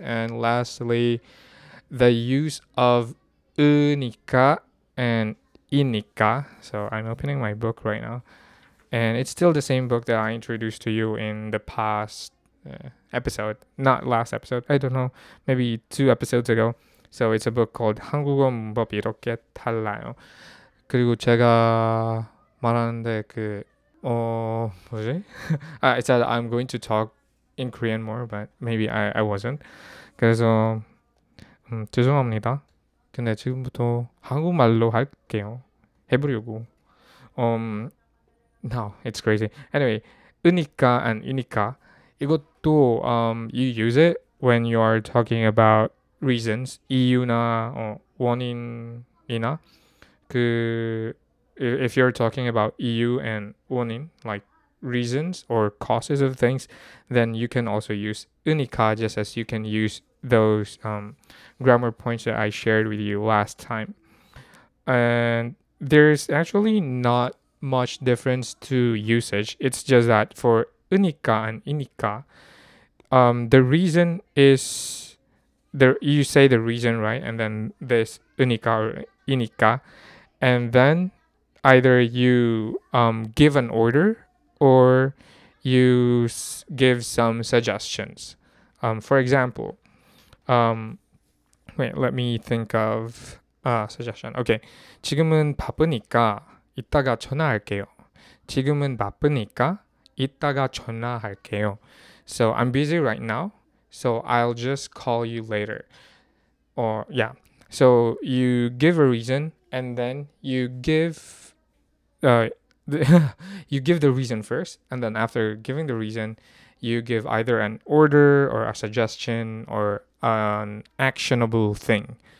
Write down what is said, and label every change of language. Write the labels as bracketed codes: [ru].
[en] And lastly, the use of 으니까 and 이니까. So I'm opening my book right now. And it's still the same book that I introduced to you in the past episode, not last episode, I don't know, maybe two episodes ago. So it's a book called 한국어 문법 이렇게 달라요. [ko] 그리고 제가 말하는데 그 뭐지? [en] I said I'm going to talk in Korean more, but maybe I wasn't. [ko] 그래서 죄송합니다. 근데 지금부터 한국말로 할게요. 해보려고. [en] No, it's crazy. Anyway, 으니까 and 이니까 [ko] 이것도 [en] you use it when you are talking about reasons, [ko] 이유나 원인이나 그 [en] if you're talking about 이유 and 원인, like reasons or causes of things, then you can also use 으니까 just as you can use those grammar points that I shared with you last time. And there's actually not much difference to usage. It's just that for 으니까 and 이니까, the reason is there. You say the reason, right? And then this 으니까 or 이니까, and then either you give an order or you give some suggestions. For example, wait, let me think of a suggestion. [ko] Okay, 지금은 바쁘니까 이따가 전화할게요. 지금은 바쁘니까 이따가 전화할게요. [en] So I'm busy right now, so I'll just call you later. Or yeah, so you give a reason and then you give you give the reason first, and then after giving the reason, you give either an order or a suggestion or an actionable thing.